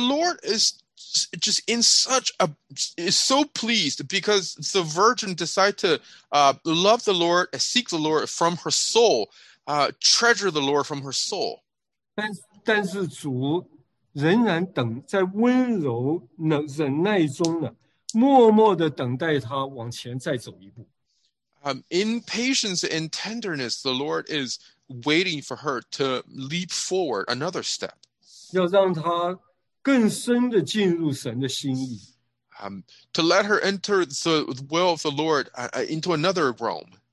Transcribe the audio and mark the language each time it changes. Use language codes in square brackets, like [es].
[en] Lord is just in such a is so pleased because the virgin decided to love the Lord, seek the Lord from her soul, treasure the Lord from her soul. [zh] 但是主仍然等在温柔忍耐中呢，默默的等待她往前再走一步。 [en] In patience and tenderness, the Lord is waiting for her to leap forward another step. [zh] 要让她 更深的进入神的心意, [en] to let her enter the will of the Lord into another realm.